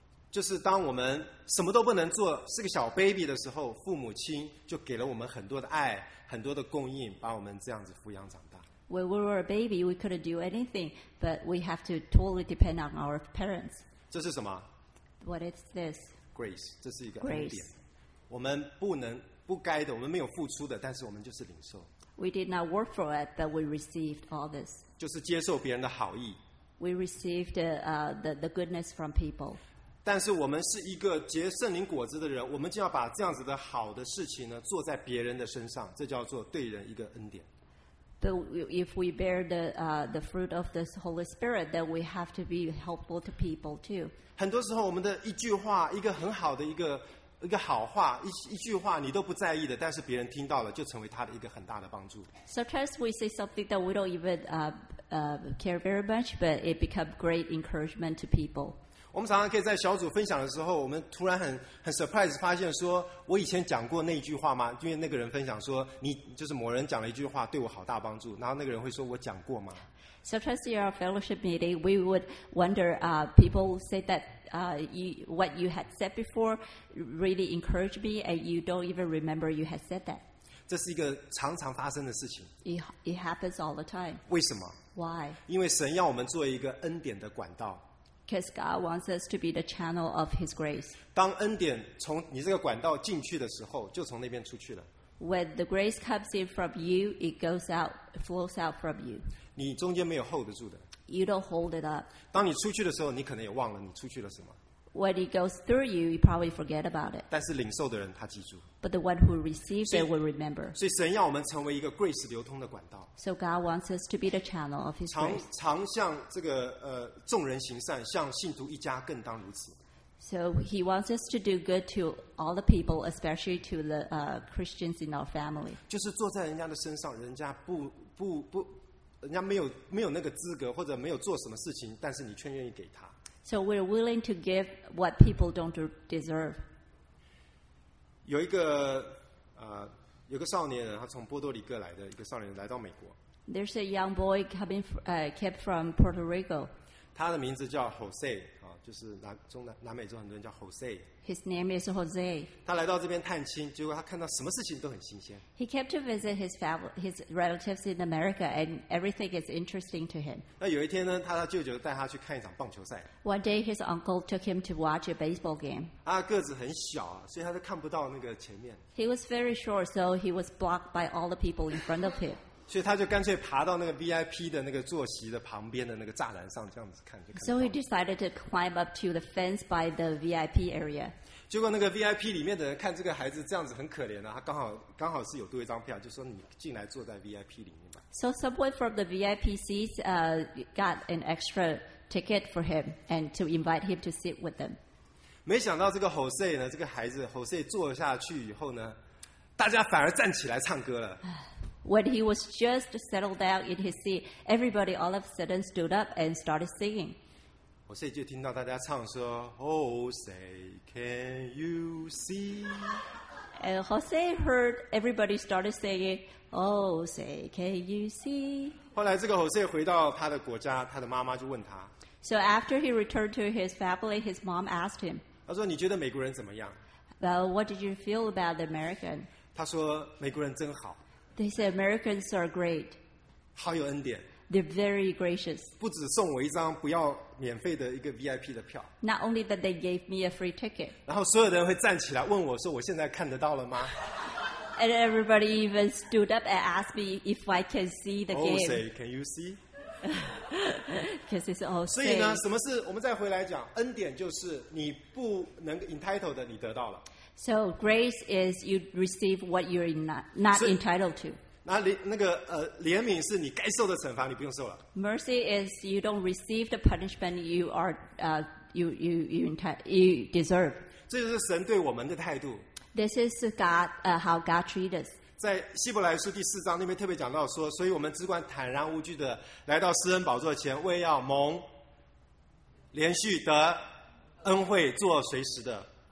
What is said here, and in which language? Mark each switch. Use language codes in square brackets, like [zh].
[zh] 就是当我们什么都不能做，是个小 baby 的时候，父母亲就给了我们很多的爱，很多的供应，把我们这样子抚养长大。 [en] When we were a baby, we couldn't do anything, but we have to totally depend on our parents. [zh] 这是什么？ [en] What is this? Grace. [zh] 这是一个恩典。我们不能不该的，我们没有付出的，但是我们就是领受。 [en] We did not work for it, but we received all this. [zh] 就是接受别人的好意。 [en] We received the goodness from people. [zh] 但是我们是一个结圣灵果子的人，我们就要把这样子的好的事情呢，做在别人的身上，这叫做对人一个恩典。 [en] But if we bear the fruit of this Holy Spirit, then we have to be helpful to people too. [zh] 很多时候，我们的一句话，一个很好的一个好话，一句话你都不在意的，但是别人听到了就成为他的一个很大的帮助。 [en] Sometimes we say something that we don't even care very much, but it becomes great encouragement to people. [zh] 我们常常可以在小组分享的时候，我们突然很 surprise 发现说，我以前讲过那句话吗？因为那个人分享说，你就是某人讲了一句话对我好大帮助，然后那个人会说我讲过吗？ [en] Sometimes in our fellowship meeting, we would wonder, people say that what you had said before really encouraged me, and you don't even remember you had said that. [zh] 这是一个常常发生的事情。 [en] It happens all the time. [zh] 为什么？ [en] Why? [zh] 因为神要我们做一个恩典的管道。 [en] Because God wants us to be the channel of His grace. [zh] 当恩典从你这个管道进去的时候，就从那边出去了。 [en] When the grace comes in from you, it goes out, flows out from you. [zh] 你中间没有 hold 得住的。 [en] You don't hold it up. [zh] 当你出去的时候，你可能也忘了你出去了什么。 [en] When it goes through you, you probably forget about it. [zh] 但是领受的人他记住。 [en] But the one who receives it will remember. [zh] 所以神要我们成为一个 grace 流通的管道。 [en] So God wants us to be the channel of His grace. [zh] 常向这个众人行善，向信徒一家更当如此。 [en] So he wants us to do good to all the people, especially to the Christians in our family. [zh] 就是坐在人家的身上，人家不，人家没有那个资格，或者没有做什么事情，但是你却愿意给他。 [en] So we're willing to give what people don't deserve. [zh] 有一个少年人，他从波多黎各来的一个少年人来到美国。 [en] There's a young boy coming from Puerto Rico. [zh] 他的名字叫 Jose。就是 南美洲很多人叫 Jose. [en] His name is Jose. [zh] 他来到这边探亲，结果他看到什么事情都很新鲜。 [en] He came to visit his relatives in America, and everything is interesting to him. [zh] 那有一天呢，他舅舅带他去看一场棒球赛。 [en] One day, his uncle took him to watch a baseball game. [zh] 他个子很小，所以他都看不到那个前面。 [en] He was very short, so he was blocked by all the people in front of him. [zh] 所以他就干脆爬到那个 VIP 的那个坐席的旁边的那个栅栏上，这样子看就看。 [en] So he decided to climb up to the fence by the VIP area. [zh] 结果那个 VIP 里面的人看这个孩子这样子很可怜啊，他刚好是有多一张票，就说你进来坐在 VIP 里面吧。 [en] So someone from the VIP seats got an extra ticket for him and to invite him to sit with them. [zh] 没想到这个 Jose 呢，这个孩子 Jose 坐下去以后呢，大家反而站起来唱歌了。 [en] When he was just settled down in his seat, everybody all of a sudden stood up and started singing. [zh] Jose 就听到大家唱说 [en] Jose, can you see? And Jose heard everybody started singing, Jose, can you see? [zh] 后来这个 Jose 回到他的国家，他的妈妈就问他。 [en] So after he returned to his family, his mom asked him. [zh] 他说你觉得美国人怎么样？ [en] Well, what did you feel about the American? [zh] 他说美国人真好。 [en] They say Americans are great. [zh] 好有恩典。 [en] They're very gracious. [zh] 不只送我一张不要免费的一个 VIP 的票。 [en] Not only that, they gave me a free ticket. [zh] 然后所有的人会站起来问我说：“我现在看得到了吗？” [en] And everybody even stood up and asked me if I can see the game. Jose, can you see? Because it's all. [zh] 所以呢，什么是我们再回来讲恩典？就是你不能 entitled 的，你得到了。 [en] So grace is you receive what you're not entitled to. [zh] 怜悯是你该受的惩罚，你不用受了。 [en] Mercy is you don't receive the punishment you are you deserve. [zh] 这就是神对我们的态度。 [en] This is God how God treats us. [zh] 在希伯来书第四章那边特别讲到说，所以我们只管坦然无惧的来到施恩宝座前，为要蒙连续得恩惠，做随时的。